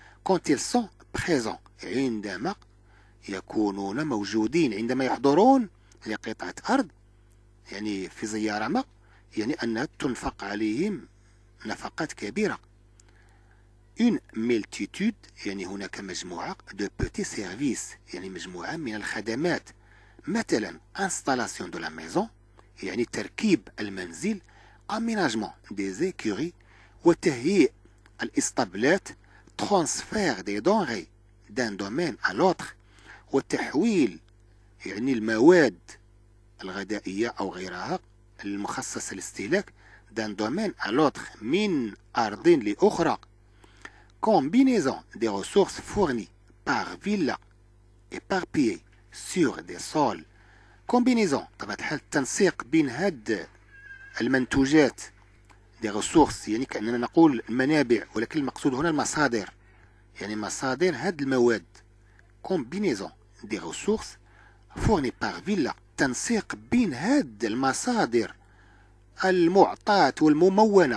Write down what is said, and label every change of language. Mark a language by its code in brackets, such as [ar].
[fr] quand ils sont présents، [ar] عندما يكونون موجودين، عندما يحضرون لقطعة أرض، يعني في زيارة ما، يعني أنها تنفق عليهم نفقات كبيرة. [fr] une multitude، [ar] يعني هناك مجموعة [fr] de petits services، [ar] يعني مجموعة من الخدمات. مثلا [fr] installation de la maison، [ar] يعني تركيب المنزل. [fr] aménagement des écuries، [ar] وتهيئ الاسطبلات. [fr] transfert des denrées d'un domaine à l'autre، [ar] وتحويل يعني المواد الغذائية أو غيرها المخصصة للاستهلاك. [fr] d'un domaine à l'autre، [ar] من أرض لأخرى. [fr] combinaison des ressources fournies par villa éparpillées sur des sols. [ar] combinaison، طبعا حال التنسيق بين هاد المنتوجات. [fr] des ressources، [ar] يعني كأننا نقول المنابع، ولكن المقصود هنا المصادر، يعني مصادر هاد المواد. [fr] combinaison des ressources fournies par villa، [ar] تنسيق بين هاد المصادر المعطاة والممونة.